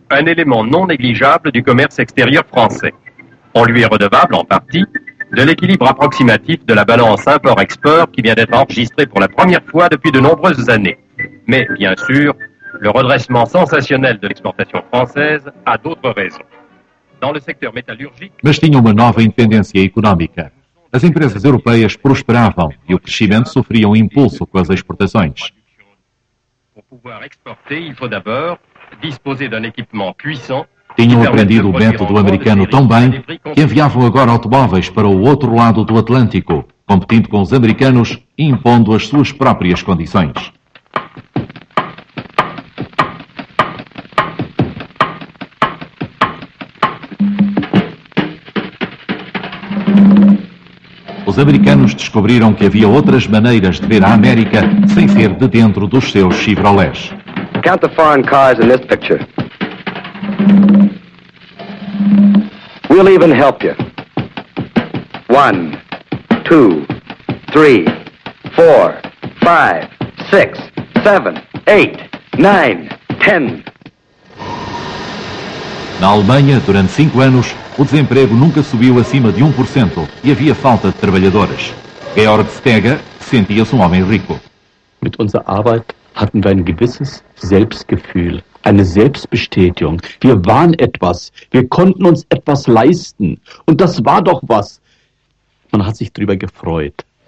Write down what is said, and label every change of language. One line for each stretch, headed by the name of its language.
French: Un élément non négligeable du commerce extérieur français. On lui est redevable, en partie, de l'équilibre approximatif de la balance import-export qui vient d'être enregistrée pour la première fois depuis de nombreuses années. Mais, bien sûr, le redressement sensationnel de l'exportation française a d'autres raisons. Dans le secteur métallurgique...
Portuguese: Mas tinha uma nova independência económica. As empresas europeias prosperavam e o crescimento sofria um impulso com as exportações.
French: Pour pouvoir exporter, il faut d'abord disposer d'un équipement puissant.
Portuguese: Tinham aprendido o método americano tão bem que enviavam agora automóveis para o outro lado do Atlântico, competindo com os americanos e impondo as suas próprias condições. Os americanos descobriram que havia outras maneiras de ver a América sem ser de dentro dos seus Chevrolets.
English: Count the foreign cars in this picture. We'll even help you. One, two, three, four, five, six, seven, eight, nine, ten.
Portuguese: Na Alemanha, durante 5 anos, o desemprego nunca subiu acima de 1% e havia falta de trabalhadores. Georg Stegger sentia-se um homem rico.
German: Mit unserer Arbeit hatten wir ein gewisses Selbstgefühl. Eine Selbstbestätigung. Wir waren etwas. Wir konnten uns etwas leisten. Und das war doch was. Man hat sich drüber gefreut.